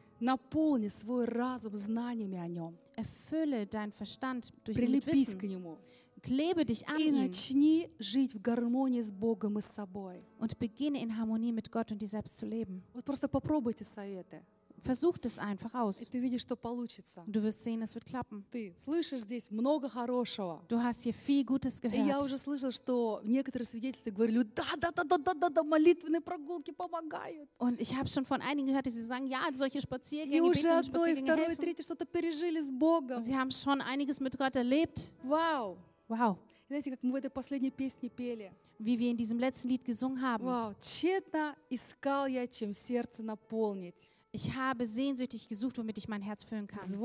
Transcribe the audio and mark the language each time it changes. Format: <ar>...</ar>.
<ru>Наполни свой разум знаниями о нем.</ru> <de>Erfülle deinen Verstand durch ihn mit Wissen.</de> <ru>Прилепись к нему.</ru> <de>Klebe dich an ihn.</de> <ru>И начни жить в гармонии с Богом и с собой.</ru> <de>Und beginne in Harmonie mit Gott und dir selbst zu leben.</de> <ru>Вот просто попробуйте советы.</ru> <de>Versuch das einfach aus.</de> <ru>И ты видишь, что получится.</ru> <de>Du wirst sehen, es wird klappen.</de> <ru>Ты слышишь здесь много хорошего.</ru> <de>Du hast hier viel Gutes gehört.</de> <ru>И я уже слышала, что некоторые свидетельства говорили: да, да, да, да, да, да, да, молитвенные прогулки помогают.</ru> <de>Und ich habe schon von einigen gehört, dass sie sagen: ja, solche Spaziergänge, Spaziergänge</de> <ru>что-то пережили с Богом.</ru> <de>Und sie haben schon einiges mit Gott erlebt. Wow. Wow.</de> <ru>Знаете, как мы в этой последней песне пели?</ru> <de>Wie wir in diesem letzten Lied gesungen haben. Wow.</de> <ru>Тщетно искал я, чем сердце наполнить.</ru> <de>Ich habe sehnsüchtig gesucht, womit ich mein Herz füllen kann.</de>